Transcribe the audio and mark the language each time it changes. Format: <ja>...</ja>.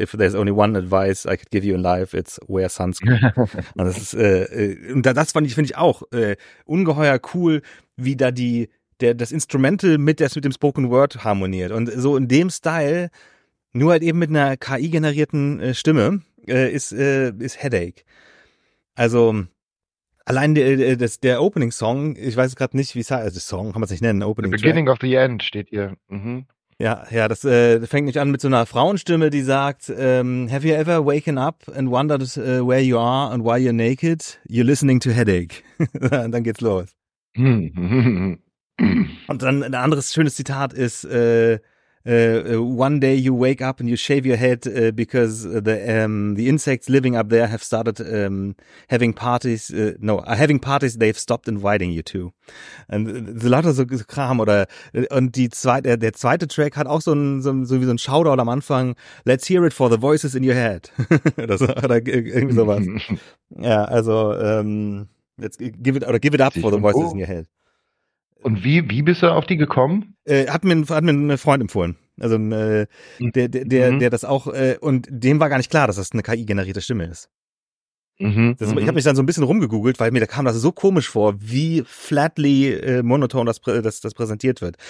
<en>If there's only one advice I could give you in life, it's wear sunscreen.</en> <de>Und das fand ich auch ungeheuer cool, wie da das Instrumental mit dem Spoken Word harmoniert. Und so in dem Style, nur halt eben mit einer KI-generierten Stimme, ist Headache. Also allein der Opening-Song, ich weiß gerade nicht, wie es heißt, also Song kann man es nicht nennen, Opening-Track. The Beginning of the End steht hier. Mhm. Ja, das fängt nicht an mit so einer Frauenstimme, die sagt,</de> <en>have you ever waken up and wondered where you are and why you're naked? You're listening to Headache.</en> <de>Und dann geht's los. Und dann ein anderes schönes Zitat ist,</de> <en>one day you wake up and you shave your head because the insects living up there have started having parties they've stopped inviting you to.</en> <de>Und lauter so Kram der zweite Track hat auch so ein Shoutout am Anfang,</de> <en>let's hear it for the voices in your head.</en> <de>Oder so, oder irgendwie sowas.</de> <en>Ja, also give it up for the voices in your head.</en> <de>Und wie bist du auf die gekommen? Hat mir ein Freund empfohlen. Also der das auch, und dem war gar nicht klar, dass das eine KI-generierte Stimme ist. Ich habe mich dann so ein bisschen rumgegoogelt, weil mir da kam das so komisch vor, wie flatly monoton das präsentiert wird.</de>